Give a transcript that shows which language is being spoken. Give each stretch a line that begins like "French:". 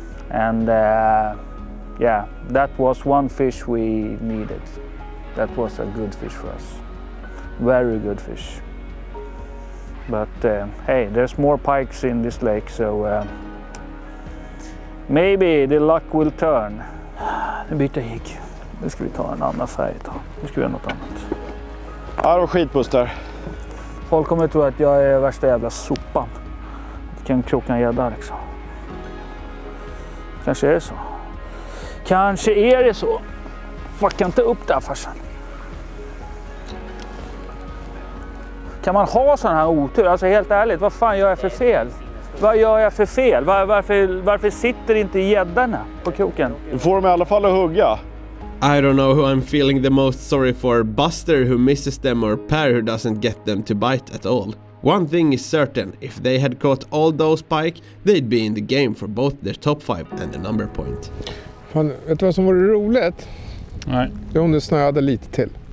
English: And yeah, that was one fish we needed. That was a good fish for us. Very good fish. But hey, there's more pikes in this lake, so maybe the luck will turn.
Swedish: Nu byter jag hick. Nu ska vi ta en annan färg. Nu ska vi göra något annat. Ja, då skitbuster. Folk kommer tro att jag är värsta jävla sopan. Att jag kan kroka en jädda liksom. Kanske är det så. Kanske är det så. Fucka inte upp där, farsan. Kan man ha sån här otur? Alltså helt ärligt, vad fan gör jag för fel? Vad gör jag för fel? Varför sitter inte gäddarna på kroken? Du får dem i alla fall att hugga.
English: I don't know who I'm feeling the most sorry for. Buster who misses them or Per who doesn't get them to bite at all. One thing is certain, if they had caught all those pike, they'd be in the game for both their top 5 and the number point.
Swedish: Fan, vet du vad som vore roligt? Nej. Det är om du snöade lite till.